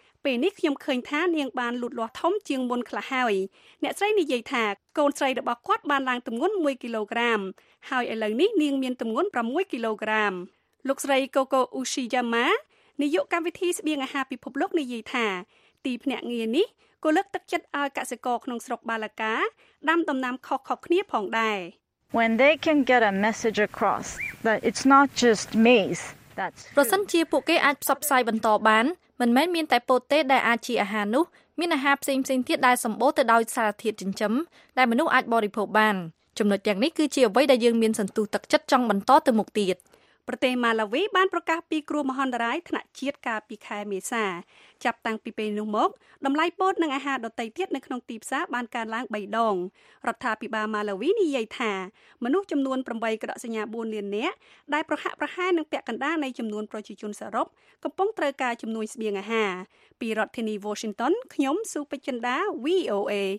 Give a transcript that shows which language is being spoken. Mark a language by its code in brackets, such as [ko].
[km] ពេលនេះខ្ញុំឃើញថានាងបានលូតលាស់ធំជាងមុនខ្លះហើយអ្នកស្រីនិយាយថាកូនស្រីរបស់គាត់បានឡើងទម្ងន់1គីឡូក្រាមហើយឥឡូវនេះនាងមានទម្ងន់6គីឡូក្រាមលោកស្រីកូកូអ៊ូស៊ីយ៉ាម៉ានាយកកម្មវិធីស្បៀងអាហារពិភពលោកនិយាយថាទីភ្នាក់ងារនេះក៏លើកទឹកចិត្តឲ្យកសិករក្នុងស្រុកបាឡាកាដាំដំណាំខុសៗគ្នាផងដែរ [en] When they can get a message across that it's not just maize that's [km] ប្រសិនជាពួកគេអាចផ្សព្វផ្សាយបន្តបានមិនមែនមានតែពោតទេដែលអាចជាអាហារនោះមានអាហារផ្សេងៗទៀតដែលសម្បូរទៅដោយសារធាតុចិញ្ចឹមដែលមនុស្សអាចបរិភោគបានចំណុចទាំងនេះគឺជាអ្វីដែលយើងមានសន្ទុះទឹកចិត្តចង់បន្តទៅមុខទៀត ប្រទេសម៉ាឡាវីបានប្រកាសពីគ្រោះមហន្តរាយថ្នាក់ជាតិកាលពីខែមេសាចាប់តាំងពីពេលនោះមកតម្លៃពោតនិងអាហារដទៃទៀតនៅក្នុងទីផ្សារបានកើនឡើង3ដងរដ្ឋាភិបាលម៉ាឡាវីនិយាយថាមនុស្សចំនួន8ក្រកសញ្ញា4លាននាក់ដែលប្រហាក់ប្រហែលនឹងពាក់កណ្ដាលនៃចំនួនប្រជាជនសរុបកំពុងត្រូវការជំនួយស្បៀងអាហារពីរដ្ឋធានី Washington ខ្ញុំស៊ូពេជិនដា VOA